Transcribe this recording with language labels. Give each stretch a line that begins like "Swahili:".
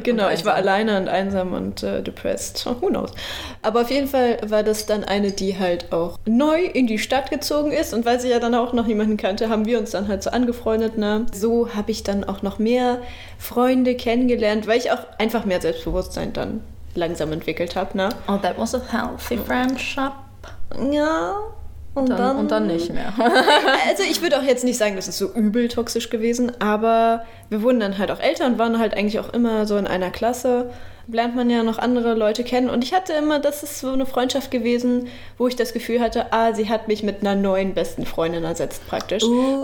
German: Genau, ich war alleine und einsam und
English: depressed. Who knows?
German: Aber auf jeden Fall war das dann eine, die halt auch neu in die Stadt gezogen ist. Und weil sie ja dann auch noch niemanden kannte, haben wir uns dann halt so angefreundet. Ne? So habe ich dann auch noch mehr Freunde kennengelernt, weil ich auch einfach mehr Selbstbewusstsein dann langsam entwickelt habe. Ne?
English: Oh, that was a healthy friendship.
German: Ja. Und dann nicht mehr. Also ich würde auch jetzt nicht sagen, das ist so übel toxisch gewesen, aber wir wurden dann halt auch älter und waren halt eigentlich auch immer so in einer Klasse. Lernt man ja noch andere Leute kennen. Und ich hatte immer, das ist so eine Freundschaft gewesen, wo ich das Gefühl hatte, ah, sie hat mich mit einer neuen besten Freundin ersetzt praktisch. Oh.